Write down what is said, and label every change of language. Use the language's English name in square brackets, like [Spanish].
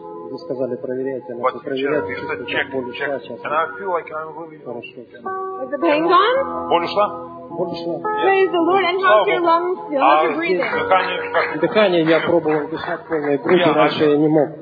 [Russian] Вы сказали, проверяйте, она проверяйте, чувствую, как боль ушла сейчас. Хорошо. Боль ушла? [English] Praise the Lord, and how's your lungs feel? How's your breathing? [Russian] Дыхание я пробовал дышать полной грудью, раньше я не мог.